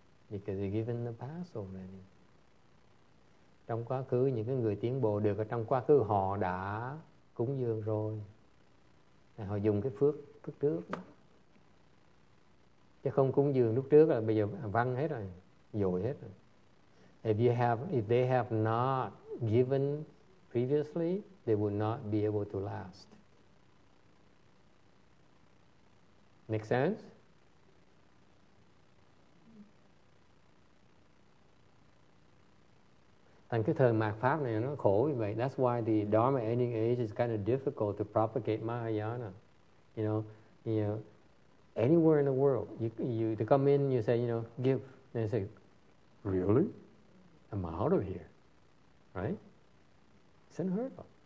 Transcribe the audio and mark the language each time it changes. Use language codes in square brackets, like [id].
[en] Because they're given the past already. [vi] Trong quá khứ, những cái người tiến bộ được ở trong quá khứ, họ đã cúng dường rồi. Họ dùng cái phước trước. Chứ không cúng dường lúc trước là bây giờ văng hết rồi, dội hết rồi. [en] If they have not given previously, they would not be able to last. Make sense? [vi] Thành cái thời mạt pháp này nó khổ như vậy. [en] That's why the Dharma ending age is kind of difficult to propagate Mahayana. You know, anywhere in the world, you to come in, you say, you know, give. And they say, really? I'm out of here. Right? It's unheard of.